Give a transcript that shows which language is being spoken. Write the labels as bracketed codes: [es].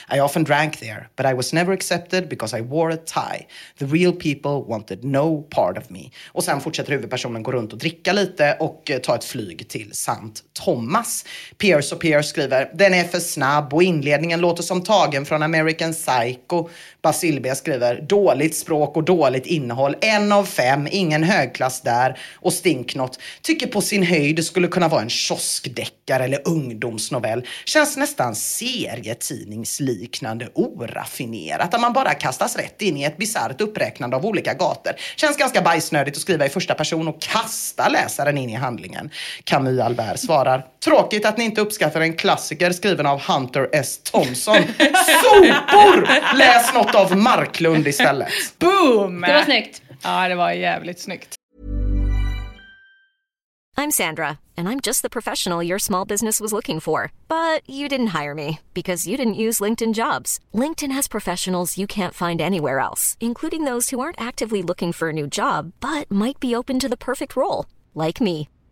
[en] I often drank there, but I was never accepted because I wore a tie. The real people wanted no part of me. [sv] Och sen fortsätter huvudpersonen gå runt och dricka lite och ta ett flyg till Sant Thomas. Pierce och Pierce skriver, den är för snabb och inledningen låter som tagen från American Psycho. Basil B skriver, dåligt språk och dåligt innehåll. 1 av 5, ingen högklass där. Och Stinknott tycker på sin höjd skulle kunna vara en kioskdeckare eller ungdomsnovell. Känns nästan serietidningsliknande oraffinerat. Att man bara kastas rätt in i ett bizarrt uppräknande av olika gator. Känns ganska bajsnödigt att skriva i första person och kasta läsaren in i handlingen. Camus Albert svarar, tråkigt att ni inte uppskattar en klassiker skriven av Hunter S. Thompson. Sopor! Läs något av Marklund istället. Boom! Det var snyggt. Ja, det var jävligt snyggt. [en] I'm Sandra, and I'm just the professional your small business was looking for. But you didn't hire me, because you didn't use LinkedIn Jobs. LinkedIn has professionals you can't find anywhere else, including those who aren't actively looking for a new job, but might be open to the perfect role, like me.